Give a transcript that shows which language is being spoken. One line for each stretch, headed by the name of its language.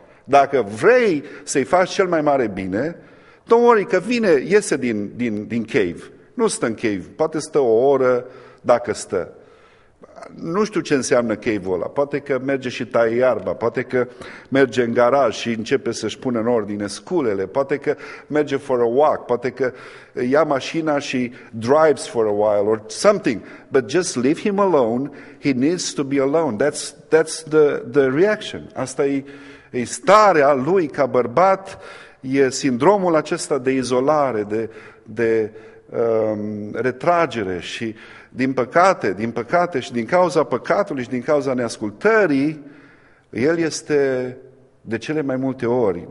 Romanian: Dacă vrei să-i faci cel mai mare bine,
English: don't worry,
Romanian: că vine, iese din cave. Nu stă în cave, poate stă o oră, dacă stă. Nu știu ce înseamnă cave-ul ăla. Poate că merge și taie iarba, poate că merge în garaj și începe să-și pună în ordine sculele, poate că merge
English: for a walk,
Romanian: poate că ia mașina și
English: drives for a while or something. But just leave him alone, he needs to be alone. That's the reaction.
Romanian: Asta e starea lui ca bărbat, e sindromul acesta de izolare, de retragere și din păcate și din cauza păcatului și din cauza neascultării, el este de cele mai multe ori.